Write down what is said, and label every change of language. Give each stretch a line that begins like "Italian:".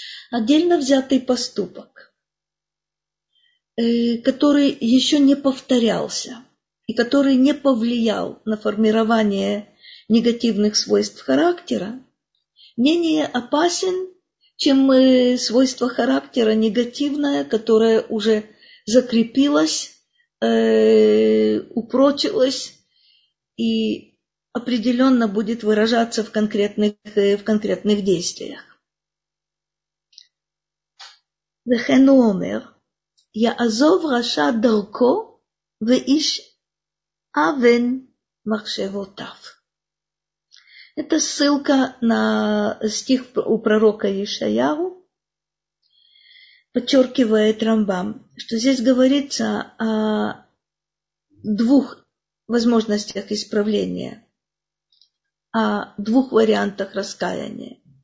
Russian: Отдельно взятый поступок, который еще не повторялся и который не повлиял на формирование негативных свойств характера, менее опасен, чем свойство характера негативное, которое уже закрепилось, упрочилось и определенно будет выражаться в конкретных действиях.
Hebrew: וכן הוא אומר, יעזוב רשע דרכו ואיש אבן מחשבותיו.
Russian: Это ссылка на стих у пророка Ишаяху, подчеркивает Рамбам, что здесь говорится о двух возможностях исправления, о двух вариантах раскаяния.